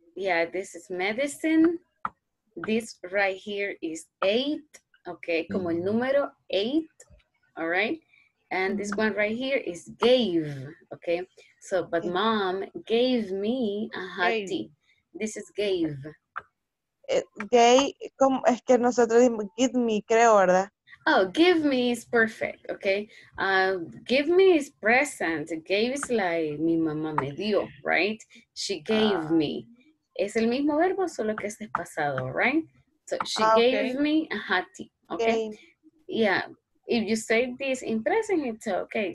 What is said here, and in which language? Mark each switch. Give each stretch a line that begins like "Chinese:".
English: Yeah, this is medicine. This right here is 8. Okay,
Spanish: como el número 8.
English: All right. And this one right here is gave. Okay. So, but mom gave me a hot tea. This is gave.
Spanish: Gay, como es que nosotros dimos, give me, creo, ¿verdad?
English: Oh, give me is perfect, okay? Give me is present. Gave is like
Spanish: mi mamá me dio,
English: right? She gave me.
Spanish: Es el mismo verbo, solo que este es pasado, right?
English: So she gave me a hot tea, okay? Gave. Yeah, if you say this in present, it's okay.